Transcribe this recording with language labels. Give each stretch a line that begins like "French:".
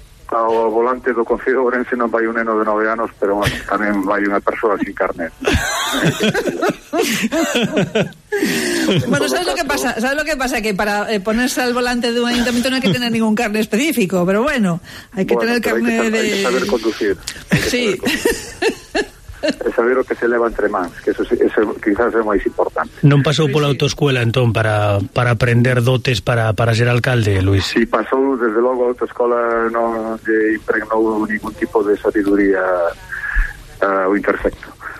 Galician: Ao volante do Concello Ourense non vai un neno de 9 anos, pero tamén vai unha persoa sin carnet.
Spanish: Bueno, ¿sabes lo que pasa? ¿Sabes lo que pasa? Que para ponerse al volante de un ayuntamiento no hay que tener ningún carnet específico, pero bueno, hay que tener el carnet de... Hay que saber conducir. Sí.
Galician: Es saber o que se leva entre mans, que eso quizás é máis importante. Non pasou pola autoescuela, entón, para aprender dotes para ser alcalde, Luis? Si, pasou, desde logo, a autoescuela non lle impregnou ningún tipo de sabiduría ao intersecto.